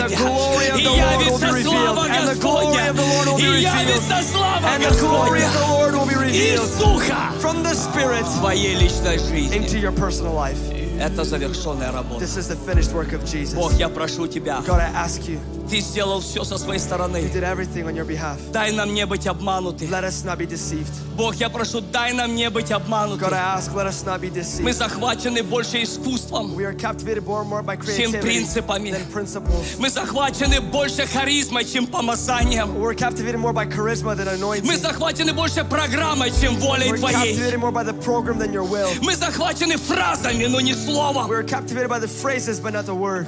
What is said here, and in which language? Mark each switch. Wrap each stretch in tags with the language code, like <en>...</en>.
<en>and the glory of the Lord will be revealed, and the glory of the Lord will be revealed, from the Spirit,</en> <ru>твоей личной жизни,</ru> <en>into your personal life.</en> <ru>Это завершенная работа.</ru> <en>This is the finished work of Jesus.</en> <ru>Бог, я прошу тебя.</ru> <en>God, I ask you.</en> <ru>Ты сделал все со своей стороны.</ru> <en>You did everything on your behalf.</en> <ru>Дай нам не быть обмануты.</ru> <en>Let us not be deceived.</en> <ru>Бог, я прошу, дай нам не быть обмануты.</ru> <en>God, I ask, let us not be deceived.</en> <ru>Мы захвачены больше искусством.</ru> <en>We are captivated more by creativity,</en> <ru>чем принципами.</ru> <en>Than principles.</en> <ru>Мы захвачены больше харизмой, чем помазанием.</ru> <en>We are captivated more by charisma than anointing.</en> <ru>Мы захвачены больше программой, чем волей твоей.</ru> <en>We are captivated more by the program than your will.</en> <ru>Мы захвачены фразами, но не словом.</ru> <en>We are captivated by the phrases, but not the word.</en>